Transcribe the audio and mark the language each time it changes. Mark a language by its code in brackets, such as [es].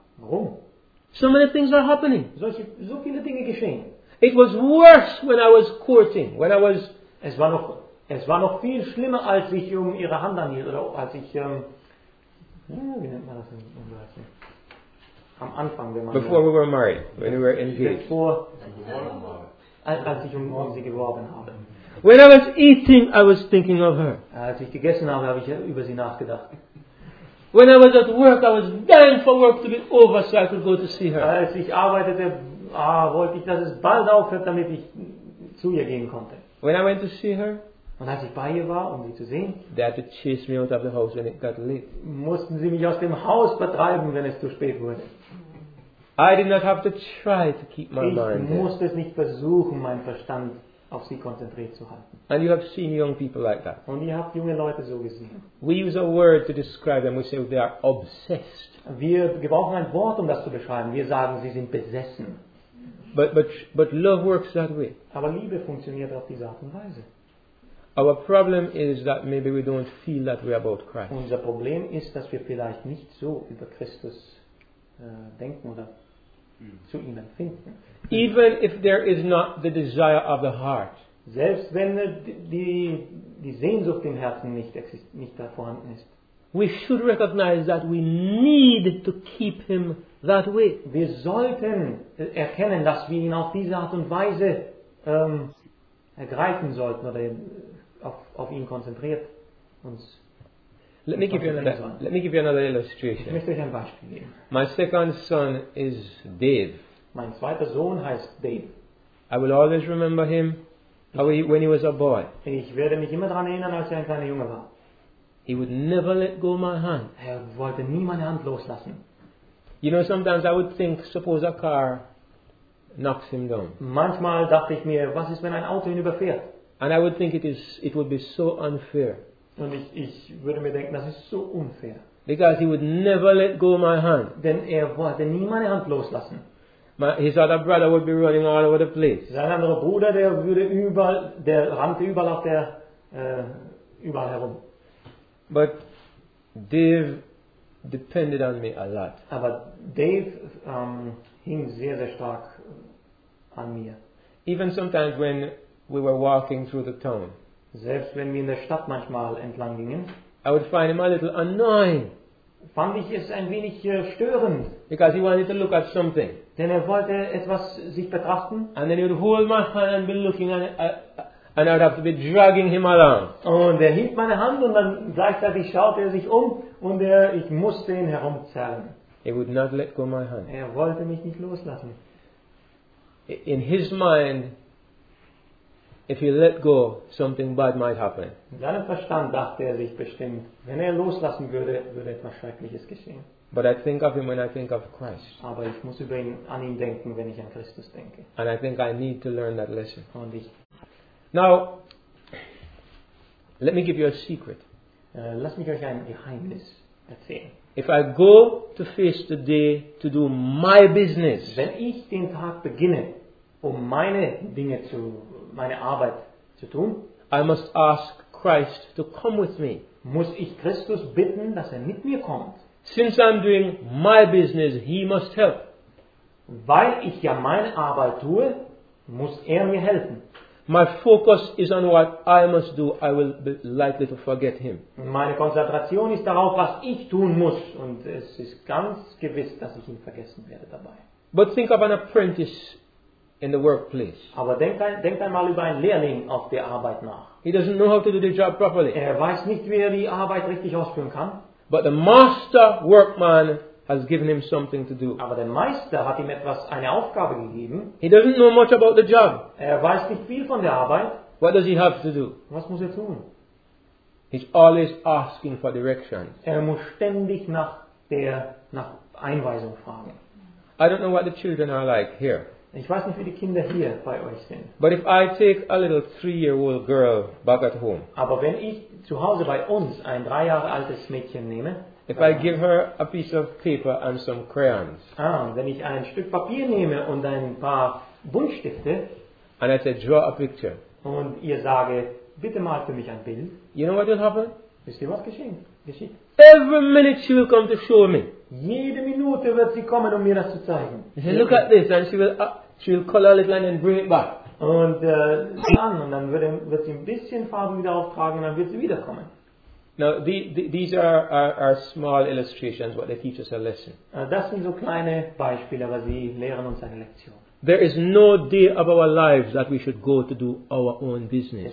[de] Warum? [en] So many things are happening. [de] So viele Dinge geschehen. [en] It was worse when I was courting. When I was, [de] es war noch viel schlimmer, als ich um ihre Hand anhielt oder als ich wie nennt man das im Deutschen? Am Anfang, wenn man [en] before we were married, when we were engaged. [de] Bevor, als ich um sie geworben habe. [en] When I was eating, I was thinking of her. [de] Als ich gegessen habe, habe ich über sie nachgedacht. [en] When I was at work, I was dying for work to be over so I could go to see her. [de] Als ich arbeitete, wollte ich, dass es bald aufhört, damit ich zu ihr gehen konnte. [en] When I went to see her, [de] und als ich bei ihr war, um sie zu sehen, [en] they had to chase me out of the house when it got late. [de] Mussten sie mich aus dem Haus vertreiben, wenn es zu spät wurde. [en] I did not have to try to keep my [de] ich [en] mind. [de] Ich musste es nicht versuchen, meinen Verstand auf sie konzentriert zu halten. [en] And you have seen young people like that. [de] Und ihr habt junge Leute so gesehen. [en] We use a word to describe them. We say they are obsessed. [de] Wir gebrauchen ein Wort, um das zu beschreiben. Wir sagen, sie sind besessen. [en] But love works that way. [de] Aber Liebe funktioniert auf diese Art und Weise. [en] Our problem is that maybe we don't feel that way about Christ. [de] Unser Problem ist, dass wir vielleicht nicht so über Christus denken oder zu ihm empfinden. [en] Even if there is not the desire of the heart. [de] Selbst wenn die Sehnsucht im Herzen nicht da vorhanden ist. [en] We should recognize that we need to keep him that way. [de] Wir sollten erkennen, dass wir ihn auf diese Art und Weise ergreifen sollten oder auf ihn konzentriert uns. [en] Let me give you another illustration. [de] Ich möchte euch ein Beispiel geben. [en] My second son is Dave. [de] Mein zweiter Sohn heißt Dave. [en] I will always remember him when he was a boy. [de] Ich werde mich immer daran erinnern, als er ein kleiner Junge war. [en] He would never let go my hand. [de] Er wollte nie meine Hand loslassen. [en] You know, sometimes I would think, suppose a car knocks him down. [de] Manchmal dachte ich mir, was ist, wenn ein Auto ihn überfährt? [en] And I would think it would be so unfair. [de] Und ich würde mir denken, das ist so unfair. [en] Because he would never let go my hand. [de] Denn er wollte nie meine Hand loslassen. [en] His other brother would be running all over the place. [de] Sein anderer Bruder, der rannte überall überall herum. [en] But Dave depended on me a lot. [de] Aber Dave hing sehr, sehr stark an mir. [en] Even sometimes when we were walking through the town. [de] Selbst wenn wir in der Stadt manchmal entlang gingen. [en] I would find him a little annoying. [de] Fand ich es ein wenig störend. [en] Because he wanted to look at something. [de] Denn er wollte etwas sich betrachten. [en] And then he would hold my hand and be looking at it. And I would have to be dragging him along. [de] Und er hielt meine Hand und dann gleichzeitig schaute er sich um und ich musste ihn herumzerren. [en] He would not let go my hand. [de] Er wollte mich nicht loslassen. [en] In his mind, if he let go, something bad might happen. [de] In seinem Verstand dachte er sich bestimmt, wenn er loslassen würde, würde etwas Schreckliches geschehen. [en] But I think of him when I think of Christ. [de] Aber ich muss über ihn an ihn denken, wenn ich an Christus denke. [en] And I think I need to learn that lesson. [de] Und ich [en] now, let me give you a secret. [de] Lass mich euch ein Geheimnis erzählen. [en] If I go to face the day to do my business, [de] wenn ich den Tag beginne, um meine Arbeit zu tun, [en] I must ask Christ to come with me. [de] Muss ich Christus bitten, dass mit mir kommt? [en] Since I'm doing my business, he must help. [de] Weil ich meine Arbeit tue, muss mir helfen. [en] My focus is on what I must do. I will be likely to forget him. [de] Meine Konzentration ist darauf, was ich tun muss. Und es ist ganz gewiss, dass ich ihn vergessen werde dabei. [en] But think of an apprentice in the workplace. [de] Aber denk einmal über einen Lehrling auf der Arbeit nach. [en] He doesn't know how to do the job properly. [de] Er weiß nicht, wie die Arbeit richtig ausführen kann. [en] But the master workman has given him something to do. [de] Aber der Meister hat ihm eine Aufgabe gegeben. [en] He doesn't know much about the job. [de] Er weiß nicht viel von der Arbeit. [en] What does he have to do? [de] Was muss tun? [en] He's always asking for directions. [de] Muss ständig nach Einweisung fragen. [en] I don't know what the children are like here. [de] Ich weiß nicht, wie die Kinder hier bei euch sind. [en] But if I take a little 3-year-old girl back at home. [de] Aber wenn ich zu Hause bei uns ein 3 Jahre altes Mädchen nehme. [en] If I give her a piece of paper and some crayons. [de] Ah, wenn ich ein Stück Papier nehme und ein paar Buntstifte. [en] And I say, draw a picture. [de] Und ihr sage, bitte mal für mich ein Bild. [en] You know what will happen? [de] Wisst ihr, was geschieht? [en] Every minute she will come to show me. [de] Jede Minute wird sie kommen, um mir das zu zeigen. [en] She look at this, and she will color a little and then bring it back. [de] Und dann wird sie ein bisschen Farben wieder auftragen, und dann wird sie wiederkommen. [en] Now these are small illustrations, but they teach us a lesson. [de] Das sind so kleine Beispiele, aber sie lehren uns eine Lektion. [en] There is no day of our lives that we should go to do our own business.